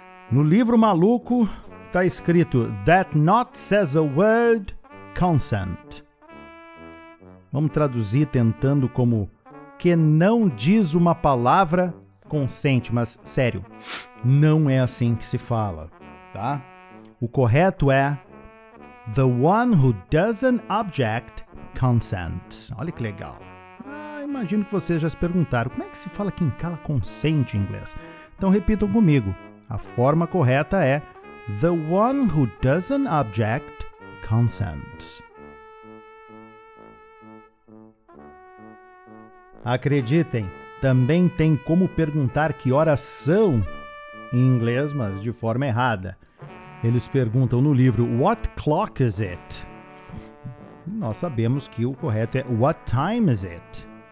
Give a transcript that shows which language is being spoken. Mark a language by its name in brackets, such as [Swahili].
[Portuguese] No livro maluco está escrito: [English] "That not says a word, consent." [Portuguese] Vamos traduzir tentando como: que não diz uma palavra, consente. Mas, sério, não é assim que se fala, tá? O correto é: [English] "The one who doesn't object, consents." [Portuguese] Olha que legal. Ah, imagino que vocês já se perguntaram: como é que se fala quem cala consente em inglês? Então, repitam comigo. A forma correta é: [English] "The one who doesn't object, consents." [Portuguese] Acreditem, também tem como perguntar que horas são em inglês, mas de forma errada. Eles perguntam no livro: [English] "What clock is it?" [Portuguese] Nós sabemos que o correto é: [English] "What time is it?"